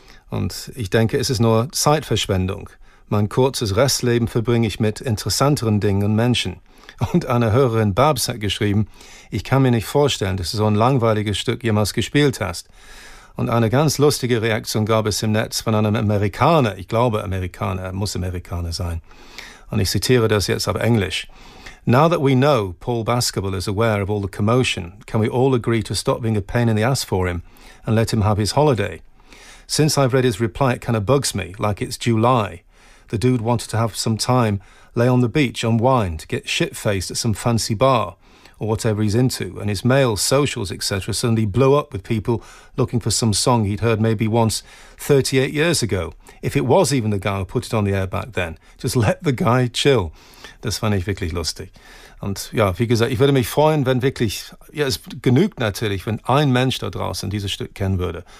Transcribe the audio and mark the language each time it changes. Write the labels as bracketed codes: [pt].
[de] Und ich denke, es ist nur Zeitverschwendung. Mein kurzes Restleben verbringe ich mit interessanteren Dingen und Menschen. Und eine Hörerin Babs hat geschrieben, ich kann mir nicht vorstellen, dass du so ein langweiliges Stück jemals gespielt hast. Und eine ganz lustige Reaktion gab es im Netz von einem Amerikaner. Ich glaube, Amerikaner, er muss Amerikaner sein. Und ich zitiere das jetzt auf Englisch. [en] Now that we know Paul Baskerville is aware of all the commotion, can we all agree to stop being a pain in the ass for him and let him have his holiday? Since I've read his reply, it kind of bugs me, like it's July. The dude wanted to have some time, lay on the beach, unwind, get shit-faced at some fancy bar, or whatever he's into, and his mails, socials, etc. suddenly blew up with people looking for some song he'd heard maybe once 38 years ago. If it was even the guy who put it on the air back then, just let the guy chill. [de] Das fand ich wirklich lustig. Und ja, wie gesagt, ich würde mich freuen, wenn wirklich, ja, es genügt natürlich, wenn ein Mensch da draußen dieses Stück kennen würde.